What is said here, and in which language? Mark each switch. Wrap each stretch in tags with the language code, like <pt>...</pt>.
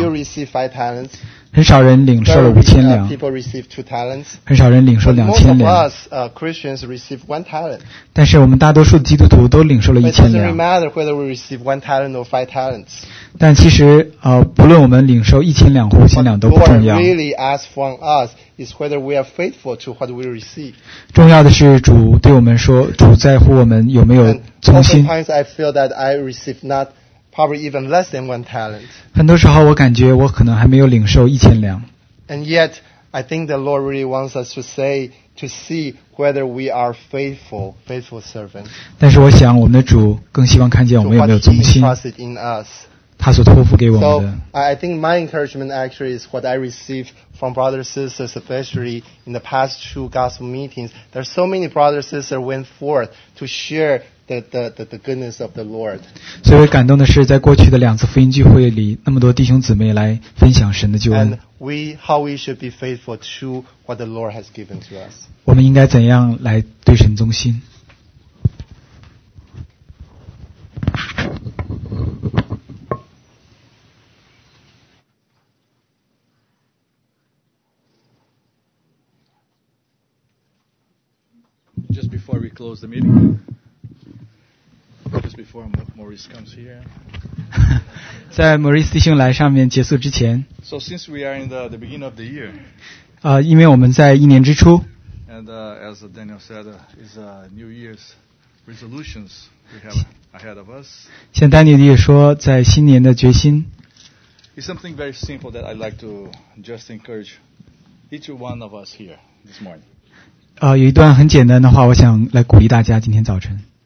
<en>Very few receive five talents.</en> <zh>很少人领受了五千两。</zh> <en>People receive two talents.</en> <zh>很少人领受两千两。</zh> <en>Most of us Christians receive one talent.</en> <zh>但是我们大多数基督徒都领受了一千两。</zh> <en>But it doesn't matter whether we receive one talent or five talents.</en> <zh>但其实不论我们领受一千两或五千两都不重要。</zh> <en>What really asks from us is whether we are faithful to what we receive.</en> <zh>重要的是主对我们说，主在乎我们有没有。</zh> <en>Sometimes I feel that I receive not probably even less than one talent.</en> <zh>很多时候我感觉我可能还没有领受一千两。</zh> <en>And yet, I think the Lord really wants us to see whether we are faithful servants.</en> <zh>但是我想我们的主更希望看见我们有没有忠心。</zh> <en>To what He entrusted in us.</en> <zh>他所托付给我们的。</zh> <en>So, I think my encouragement actually is what I received from brothers and sisters, especially in the past two gospel meetings. There are so many brothers and sisters went forth to share the goodness of the Lord.</en> <zh>所以感动的是，在过去的两次福音聚会里，那么多弟兄姊妹来分享神的救恩。</zh> <en>And we how we should be faithful to what the Lord has given to us.</en> <zh>我们应该怎样来对神忠心？</zh> <en>Just before we close the meeting, just before Maurice comes here.</en> <zh>在 Maurice 弟兄来上面结束之前。</zh> <en>So since we are in the beginning of the year.</en> <zh>因为我们在一年之初。</zh> <en>And as Daniel said, it's a New Year's resolutions we have ahead of us.</en> <zh>像 Daniel 也说，在新年的决心。</zh> <en>It's something very simple that I'd like to just encourage each one of us here this morning.</en> <zh>有一段很简单的话，我想来鼓励大家今天早晨。</zh>